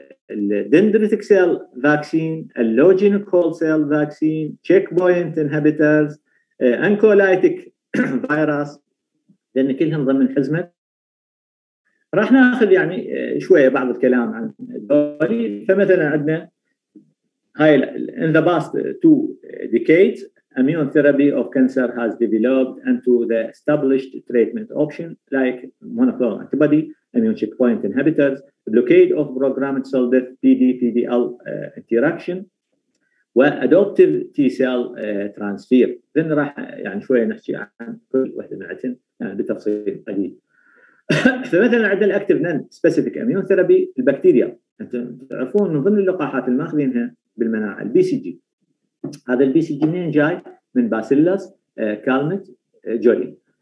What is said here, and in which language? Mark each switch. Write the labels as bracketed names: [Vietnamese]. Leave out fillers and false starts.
[Arabic] الدندريتك سيل فاكسين، اللوجينوكول سيل فاكسين، تشيك بوينت انهبيترز، انكولايتك فيروس، لان كلهم ضمن حزمه. راح ناخذ يعني شويه بعض الكلام عن الدوري. فمثلا عندنا هاي [English] In the past two decade immune therapy of cancer has developed into the established treatment option like monoclonal antibody, immune checkpoint inhibitors, blockade of programmed cell death PD-PDL interaction وadoptive T cell transfer. [Arabic] ذن راح يعني شوية نحكي عن كل واحدة معتن يعني بتفصيل قليل. فمثلا عندنا الactive non-specific immune therapy البكتيريا، انتم تعرفون من ضمن اللقاحات الماخذينها بالمناعة البي سي جي. هذا البي سي جي منين جاي؟ من باسيلس كالمت جولي.